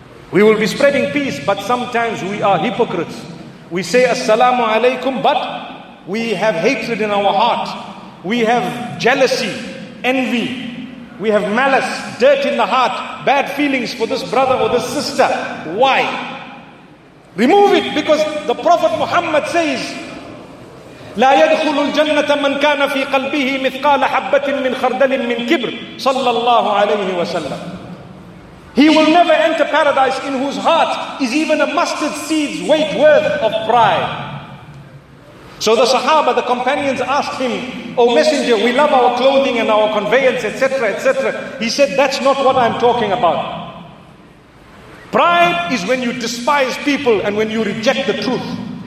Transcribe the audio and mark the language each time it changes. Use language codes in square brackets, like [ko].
[en] We will be spreading peace, but sometimes we are hypocrites. We say assalamu alaikum, but we have hatred in our heart. We have jealousy, envy. We have malice, dirt in the heart, bad feelings for this brother or this sister. Why? Remove it, because the Prophet Muhammad says, [ar] لا يدخل الجنة من كان في قلبه مثقال حبة من خردل من كبر صلى الله عليه وسلم. [en] He will never enter paradise in whose heart is even a mustard seed's weight worth of pride. So the Sahaba, the companions asked him, O Messenger, we love our clothing and our conveyance, etc., etc. He said, that's not what I'm talking about. Pride is when you despise people and when you reject the truth.